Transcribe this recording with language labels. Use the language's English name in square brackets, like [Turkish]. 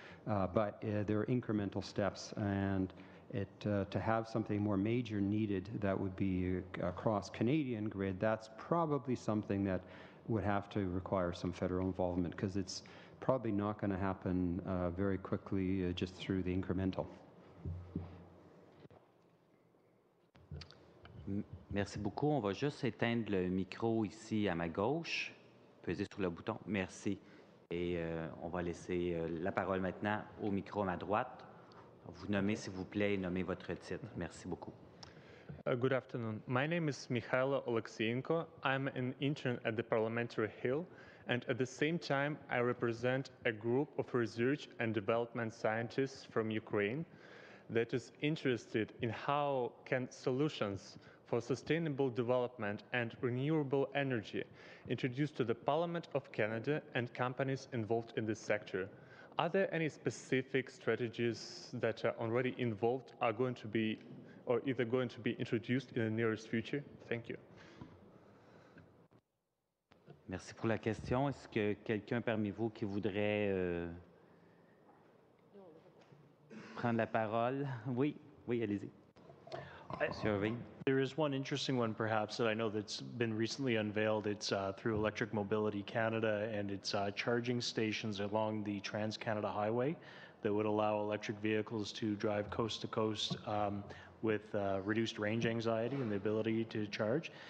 [English] But there are incremental steps, and to have something more major needed that would be across Canadian grid, that's probably something that would have to require some federal involvement, because it's probably not going to happen very quickly just through the incremental. [French] Merci beaucoup. On va juste éteindre le micro ici à ma gauche. Pesez sur le bouton. Merci. Et on va laisser la parole maintenant au micro à ma droite. Vous nommez, s'il vous plaît, et nommez votre titre. Merci beaucoup. [English] Good afternoon. My name is Mikhailo Oleksienko. I'm an intern at the Parliamentary Hill, and at the same time, I represent a group of research and development scientists from Ukraine that is interested in how can solutions for Sustainable Development and Renewable Energy introduced to the Parliament of Canada and companies involved in this sector. Are there any specific strategies that are already involved, are going to be, or either going to be introduced in the nearest future? Thank you. [French] Merci pour la question. Est-ce que quelqu'un parmi vous qui voudrait prendre la parole? Oui, oui, allez-y. Monsieur Irving. [English] There is one interesting one, perhaps, that I know that's been recently unveiled. It's through Electric Mobility Canada, and it's charging stations along the Trans-Canada Highway that would allow electric vehicles to drive coast to coast with reduced range anxiety and the ability to charge.